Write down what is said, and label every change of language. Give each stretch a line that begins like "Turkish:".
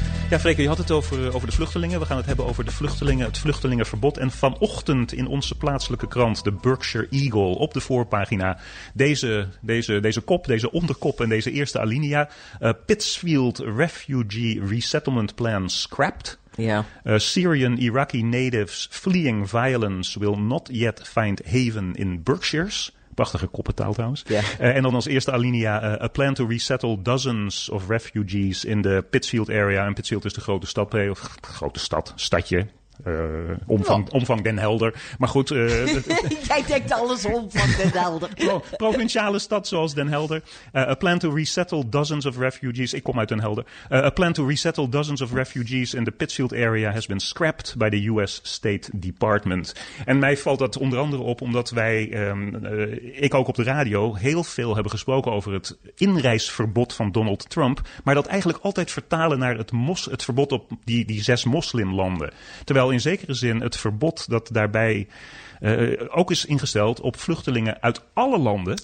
Dutch: Ja, Freke, je had het over de vluchtelingen. We gaan het hebben over de vluchtelingen, het vluchtelingenverbod. En vanochtend in onze plaatselijke krant, de Berkshire Eagle, op de voorpagina, deze kop, deze onderkop en deze eerste alinea.
English: Pittsfield Refugee Resettlement Plan scrapped. Yeah. Syrian Iraqi natives fleeing violence will not yet find haven in Berkshires.
Dutch: Prachtige koppentaal trouwens.
English: Yeah.
Dutch: En dan als eerste alinea,
English: a plan to resettle dozens of refugees in the Pittsfield area.
Dutch: En Pittsfield is de grote stad, of grote stad, stadje. Omvang Den Helder. Maar goed. Jij denkt alles omvang Den Helder. Provinciale stad zoals Den Helder.
English: A plan to resettle dozens of refugees.
Dutch: Ik kom uit Den Helder.
English: A plan to resettle dozens of refugees in the Pittsfield area has been scrapped by the US State Department.
Dutch: En mij valt dat onder andere op omdat wij, ik ook op de radio, heel veel hebben gesproken over het inreisverbod van Donald Trump. Maar dat eigenlijk altijd vertalen naar het verbod op die zes moslimlanden. Terwijl in zekere zin het verbod dat daarbij ook is ingesteld op vluchtelingen uit alle landen.